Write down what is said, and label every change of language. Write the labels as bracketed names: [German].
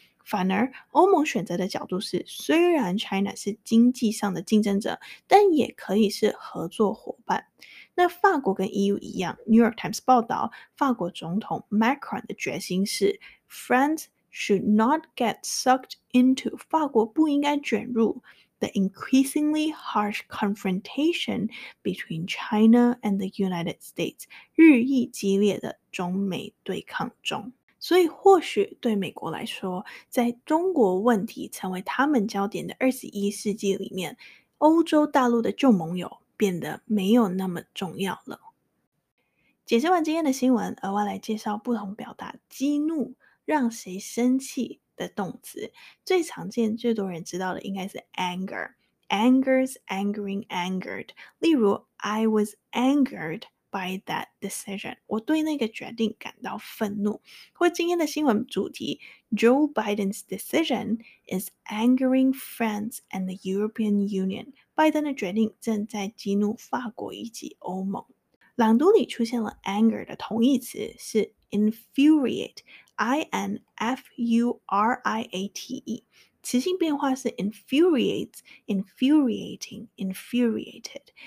[Chinese] 反而欧盟选择的角度是，虽然 China 是经济上的竞争者，但也可以是合作伙伴。那法国跟 EU 一样， New York Times 报道，法国总统 Macron 的决心是 [English] France should not get sucked into， [Chinese] 法国不应该卷入 [English] the increasingly harsh confrontation between China and the United States [Chinese] 日益激烈的中美对抗中。所以或许对美国来说，在中国问题成为他们焦点的21世纪里面，欧洲大陆的旧盟友变得没有那么重要了。解释完今天的新闻，额外来介绍不同表达激怒、让谁生气的动词。最常见、最多人知道的应该是 anger， anger's angering angered。例如 [English] ，I was angered by that decision， [Chinese] 我对那个决定感到愤怒。或今天的新闻主题 [English] ，Joe Biden's decision is angering France and the European Union。 [Chinese] 拜登的决定正在激怒法国以及欧盟。朗读里出现了 anger 的同义词是 infuriate， I-N-F-U-R-I-A-T-E， 词性变化是 infuriates， infuriating， infuriated。